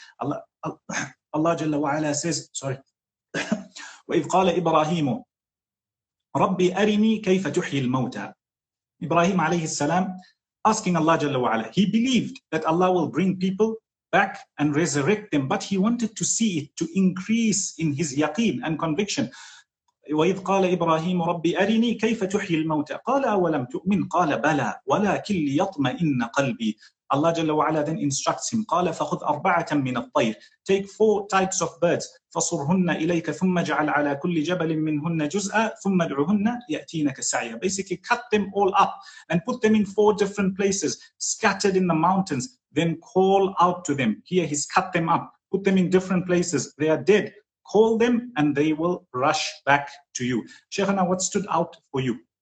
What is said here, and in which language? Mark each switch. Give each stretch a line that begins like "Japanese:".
Arabic: Allah Jalla wa Ala
English: says, sorry,
Arabic: وَإِذْ قَالَ إِبْرَاهِيمُ رَبِّ أَرِنِي كَيْفَ تُحْيِي الْمَوْتَى.
English: Ibrahim alayhi salam asking Allah Jalla wa Ala. He believed that Allah will bring people back and resurrect them, but he wanted to see it to increase in his yaqeen and conviction.
Arabic: وإذ قال إبراهيم ربي أرني كيف تحيي الموتى قال أولم تؤمن قال بلى ولكن ليطمئن قلبي. Allah جل وعلا
English: then instructs him,
Arabic: قال فخذ أربعة من الطير,
English: take four types of birds,
Arabic: فصرهن إليك ثم جعل على كل جبل منهن جزءا ثم ادعهن يأتينك سعيا.
English: Basically cut them all up and put them in four different places scattered in the mountains, then call out to them. Here he's cut them up, put them in different places, they are dead, call them and they will rush back to you. Shaykhana, what stood out for you?